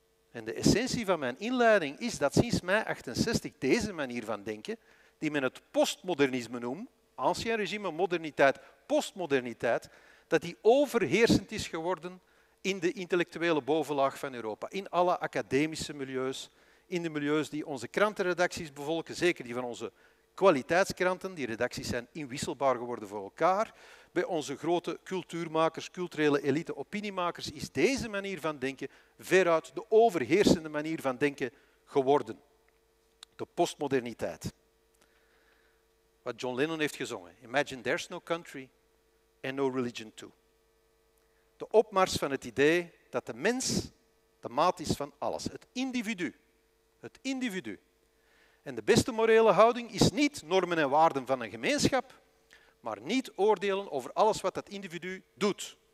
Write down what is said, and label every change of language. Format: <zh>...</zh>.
<nl>En de essentie van mijn inleiding is dat sinds mei 68 deze manier van denken, die men het postmodernisme noemt, ancien regime, moderniteit, postmoderniteit, dat die overheersend is geworden in de intellectuele bovenlaag van Europa, in alle academische milieus, in de milieus die onze krantenredacties bevolken, zeker die van onze kwaliteitskranten, die redacties zijn inwisselbaar geworden voor elkaar. Bij onze grote cultuurmakers, culturele elite, opiniemakers is deze manier van denken veruit de overheersende manier van denken geworden. De postmoderniteit. Wat John Lennon heeft gezongen.</nl> <en>Imagine there's no country and no religion too.</en> <nl>De opmars van het idee dat de mens de maat is van alles. Het individu. Het individu. En de beste morele houding is niet normen en waarden van een gemeenschap, maar niet oordelen over alles wat dat individu doet.</nl>